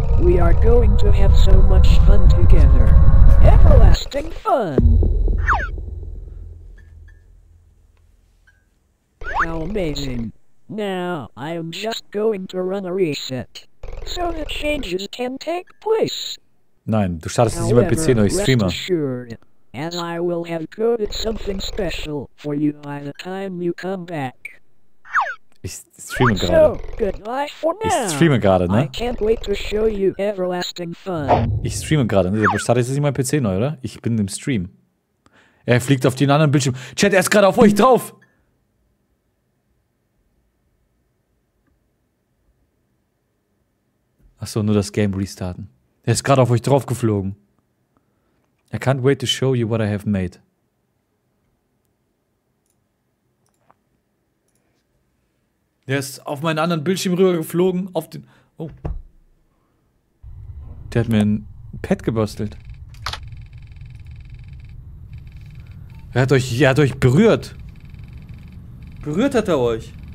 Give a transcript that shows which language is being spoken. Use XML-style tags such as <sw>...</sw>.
<en>We are going to have so much fun together. Everlasting fun! How amazing. Now, I am just going to run a reset. So the changes can take place.</en> <de>Nein, du startest nicht mein PC, neuer Streamer.</de> <en>Rest assured, as I will have coded something special for you by the time you come back.</en> <de>Ich streame gerade. Ich streame gerade, ne?</de> <en>I can't wait to show you everlasting fun.</en> <de>Ich streame gerade, ne? Du startest jetzt nicht mein PC neu, oder? Ich bin im Stream. Er fliegt auf den anderen Bildschirm. Chat, er ist gerade auf euch drauf! Achso, nur das Game restarten. Er ist gerade auf euch drauf geflogen.</de> <en>I can't wait to show you what I have made.</en> <de>Der ist auf meinen anderen Bildschirm rüber geflogen, auf den... Oh. Der hat mir ein Pad gebastelt. Er hat euch berührt. Berührt hat er euch.</de>